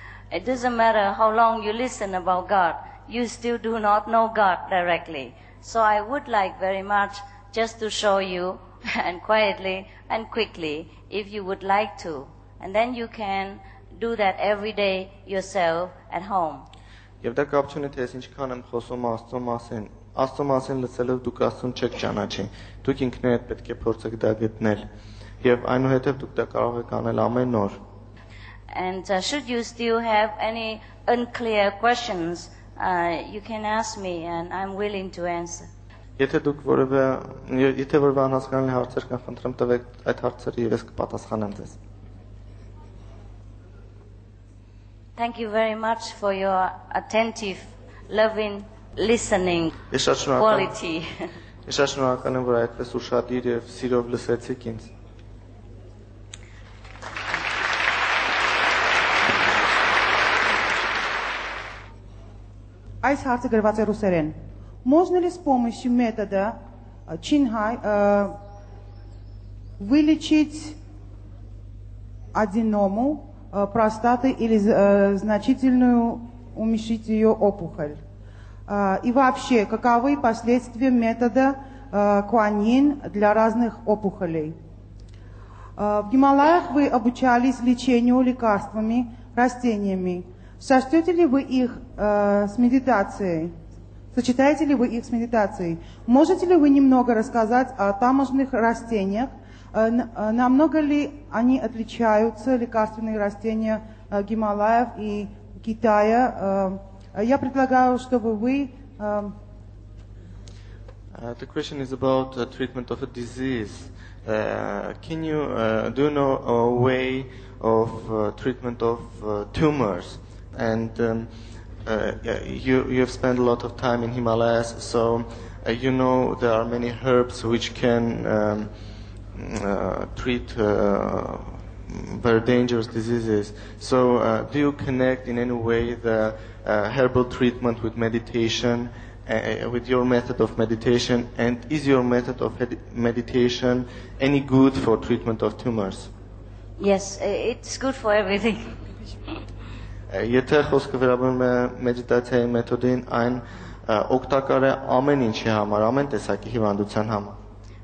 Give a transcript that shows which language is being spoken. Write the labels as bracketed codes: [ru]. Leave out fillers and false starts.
[en] It doesn't matter how long you listen about God, you still do not know God directly. So I would like very much just to show you and quietly and quickly if you would like to. And then you can do that every day yourself at home. [hy] Եվ դա կապչուն է, թե ես ինչքան եմ խոսում Աստծո մասին, Աստծո մասին լսելով դուք Աստծուն չեք ճանաչի, դուք ինքներդ պետք է փորձեք դա գտնել, եւ այնուհետեւ դուք դա կարող եք անել ամեն օր։ [en] And should you still have any unclear questions, you can ask me and I'm willing to answer. [hy] Եթե դուք որևէ եթե որևէ անհասկանալի հարցեր կան, խնդրեմ տվեք այդ հարցերը եւ ես կպատասխանեմ ձեզ։ [en] Thank you very much for your attentive, loving listening quality. [hy] Ես շնորհակալ եմ, որ այդպես ուրشادիր եւ սիրով լսեցիք ինձ։ Այս հարցը գրված է ռուսերեն։ [ru] Можно ли с помощью метода Чинхай вылечить аденому простаты или значительную уменьшить ее опухоль? И вообще, каковы последствия метода Куанин для разных опухолей? В Гималаях вы обучались лечению лекарствами, растениями. Сочетаете ли вы их с медитацией? Сочетаете ли вы их с медитацией? Можете ли вы немного рассказать о тамошних растениях? Намного ли они отличаются, лекарственные растения Гималаев и Китая? Я предлагаю, чтобы вы... [en] The question is about the treatment of a disease. Can you do you know a way of treatment of tumors? And you have spent a lot of time in Himalayas, so you know there are many herbs which can treat very dangerous diseases. So do you connect in any way the herbal treatment with meditation? With your method of meditation, and is your method of meditation any good for treatment of tumors? Yes, it's good for everything. [hy] Եթե խոսք վերաբերում է մեդիտացիայի մեթոդին, այն օգտակար է ամեն ինչի համար, ամեն տեսակի հիվանդության համար.